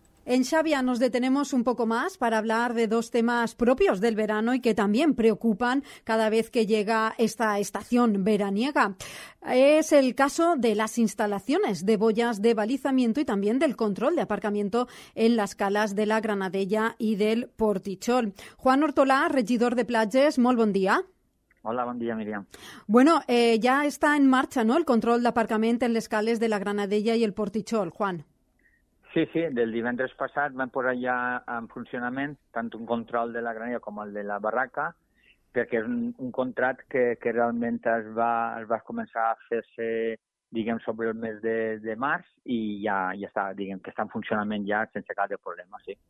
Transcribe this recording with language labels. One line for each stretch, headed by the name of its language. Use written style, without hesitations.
Spanish: En Xavia nos detenemos un poco más para hablar de dos temas propios del verano y que también preocupan cada vez que llega esta estación veraniega. Es el caso de las instalaciones de boyas de balizamiento y también del control de aparcamiento en las calas de la Granadella y del Portichol.
Catalan: Juan Ortolà, regidor de Platges, molt bon dia.
Spanish: Hola, buen día, Miriam. Bueno, ya está en marcha, ¿no?, el control de aparcamiento en
Catalan: les cales
Spanish: de la Granadella y el Portichol, Juan.
Catalan: Sí, sí, del divendres passat van posar ja en funcionament tant un control de la Granadella com el de la Barraca, perquè és un contracte que realment es va començar a fer-se, diguem, sobre el mes de març i ja està, diguem, que està en funcionament ja sense cap de problema, sí.